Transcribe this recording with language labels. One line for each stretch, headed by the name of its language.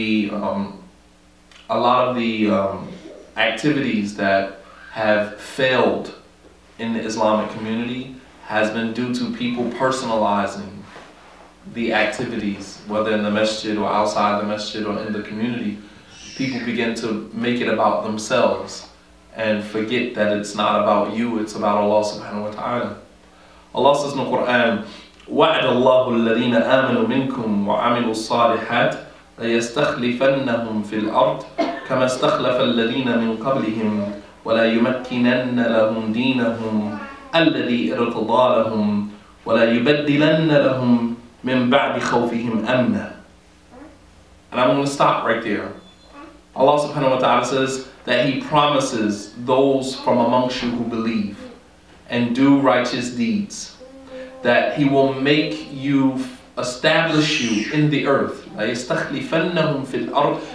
English: A lot of the activities that have failed in the Islamic community has been due to people personalizing the activities, whether in the masjid or outside the masjid or in the community. People begin to make it about themselves and forget that it's not about you, it's about Allah subhanahu wa ta'ala. Allah says in the Quran,
Arabic: وَعَدَ اللَّهُ الَّذِينَ آمَنُوا مِنْكُمْ وَعَمِلُوا الصَّالِحَاتِ لَيَسْتَخْلِفَنَّهُمْ فِي الْأَرْضِ كَمَا اسْتَخْلَفَ الَّذِينَ مِنْ قَبْلِهِمْ وَلَا يُمَكِّنَنَّ لَهُمْ دِينَهُمْ الَّذِي ارْتَضَى لَهُمْ وَلَا يُبَدِّلَنَّ لَهُمْ مِنْ بَعْدِ خَوْفِهِمْ أَمْنًا.
English: And I'm going to stop right there. Allah subhanahu wa ta'ala says that He promises those from amongst you who believe and do righteous deeds that He will make you, establish you in the earth.
Arabic: لَيَسْتَخْلِفَنَّهُمْ فِي الْأَرْضِ.